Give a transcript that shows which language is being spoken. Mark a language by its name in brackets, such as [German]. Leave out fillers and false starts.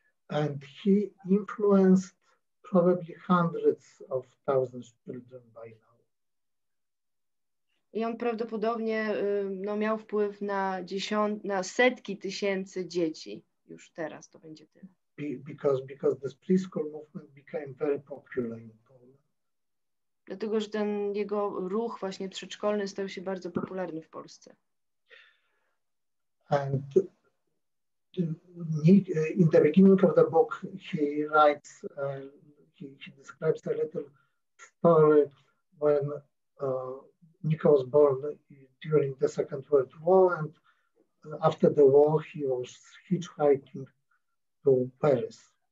[English] And he influenced probably hundreds of thousands of children by now. [Polish] I on prawdopodobnie no, miał wpływ na na setki tysięcy dzieci. Już teraz to będzie tyle. [English] Because this preschool movement became very popular in Poland. [Polish] Dlatego, że ten jego ruch właśnie przedszkolny stał się bardzo popularny w Polsce. [English] And in the beginning of the book he writes, he describes a little story when Nico was born during the Second World War, and after the war he was hitchhiking to Paris.